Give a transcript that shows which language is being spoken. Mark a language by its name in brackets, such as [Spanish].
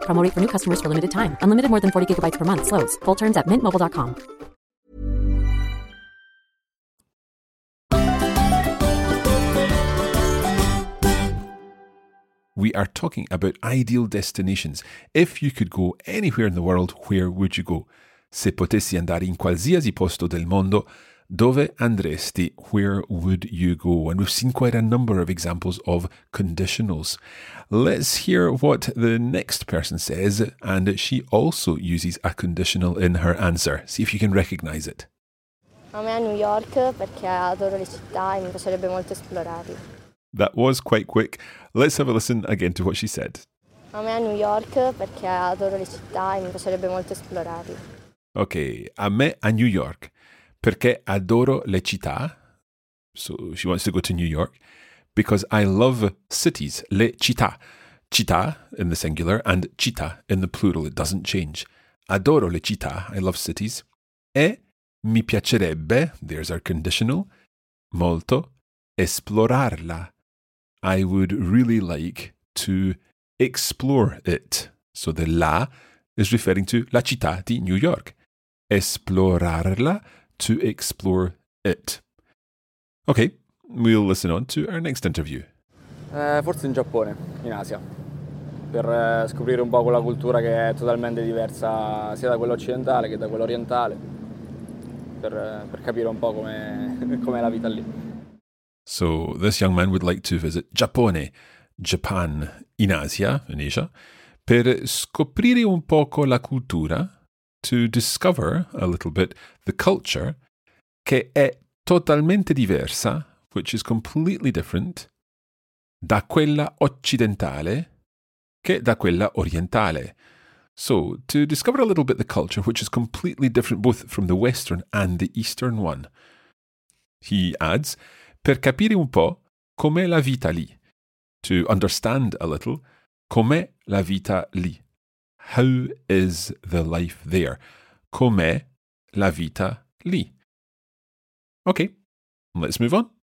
[English] Promo rate for new customers for limited time. Unlimited more than 40 gigabytes per month. Slows full terms at mintmobile.com. we are talking about ideal destinations. If you could go anywhere in the world, where would you go? [Italian] Se potessi andare in qualsiasi posto del mondo, dove andresti? [English] Where would you go? And we've seen quite a number of examples of conditionals. Let's hear what the next person says, and she also uses a conditional in her answer. See if you can recognize it. [Italian] A me a New York perché adoro le città e mi piacerebbe molto esplorarle. [English] That was quite quick. Let's have a listen again to what she said. [Italian] A me a New York perché adoro le città e mi piacerebbe molto esplorarle. Okay, a me a New York perché adoro le città. [English] So she wants to go to New York because I love cities, [Italian] le città. [English] Città in the singular and città in the plural. It doesn't change. [Italian] Adoro le città. [English] I love cities. [Italian] E mi piacerebbe, [English] there's our conditional, [Italian] molto, esplorarla. [English] I would really like to explore it. So the la is referring to [Italian] la città di New York. [English] Esplorarla, to explore it. Okay, we'll listen on to our next interview. [Italian] Forse in Giappone, in Asia, per scoprire un po' quella cultura che è totalmente diversa sia da quella occidentale che da quella orientale. Per capire un po' come è la vita lì. [English] So this young man would like to visit Giappone, Japan, in Asia, in Asia, [Italian] per scoprire un poco la cultura, [English] to discover a little bit the culture, [Italian] che è totalmente diversa, [English] which is completely different, [Italian] da quella occidentale che da quella orientale. [English] So, to discover a little bit the culture, which is completely different both from the Western and the Eastern one. He adds, [Italian] per capire un po' com'è la vita lì. [English] To understand a little, [Italian] com'è la vita lì. [English] How is the life there? [Italian] Com'è la vita lì. [English] Okay, let's move on.